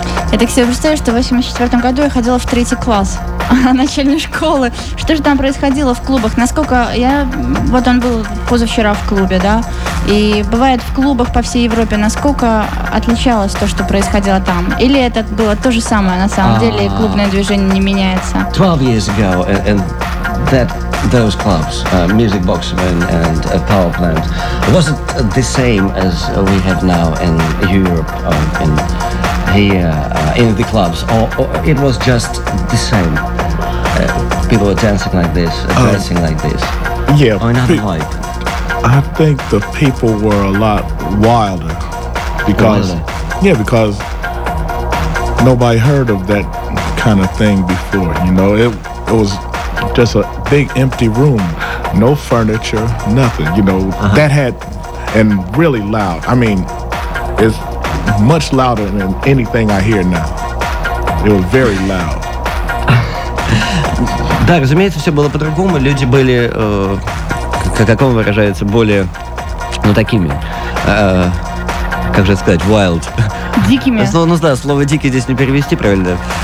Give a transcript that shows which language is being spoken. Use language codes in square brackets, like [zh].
[ru] Я так себе представляю, что в 84-м году я ходила в третий класс начальной школы. Что же там происходило в клубах? Насколько я... Вот он был позавчера в клубе, да? И бывает в клубах по всей Европе. Насколько отличалось то, что происходило там? Или это было то же самое на самом деле, и клубное движение не меняется? [en] 12 years ago, and that, those clubs, Music Box and Power Plant, wasn't the same as we have now in Europe, in here in the clubs, or it was just the same. People were dancing like this, dancing like this. Yeah. Or another type. I think the people were a lot wilder because, because nobody heard of that kind of thing before. You know, it was just a big empty room, no furniture, nothing. You know, that had, and really loud. I mean, it's much louder than anything I hear now. It was very loud. [ru] Да, разумеется, все было по-другому. Люди были, как он выражается, более, ну, такими, как же сказать, [en] wild. [ru] Дикими. Да, слово «дикий» здесь не перевести правильно.